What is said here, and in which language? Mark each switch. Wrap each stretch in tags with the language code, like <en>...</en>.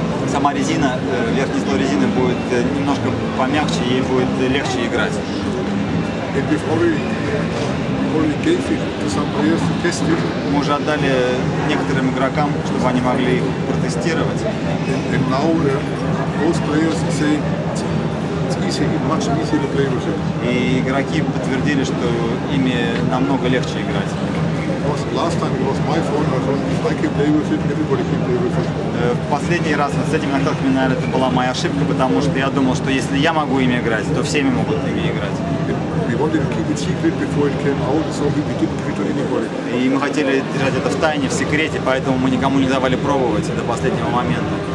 <ru>Сама резина, верхний слой резины будет немножко помягче, ей будет легче играть.</ru> <en>And we've already gave it to some players to test it.</en> <ru>Мы уже отдали некоторым игрокам, чтобы они могли протестировать.</ru> <en>And now those players say it's easy, much easier to play with it.</en> <ru>И игроки подтвердили, что ими намного легче играть.</ru> <en>Last time it was my phone, my phone. I can play with it, everybody can play with it.</en> <ru>В последний раз с этими наколками, наверное, это была моя ошибка, потому что я думал, что если я могу ими играть, то всеми могут ими играть.</ru> <en>We wanted to keep it secret before it came out, so we didn't give it to anybody.</en> <ru>И мы хотели держать это в тайне, в секрете, поэтому мы никому не давали пробовать до последнего момента.</ru>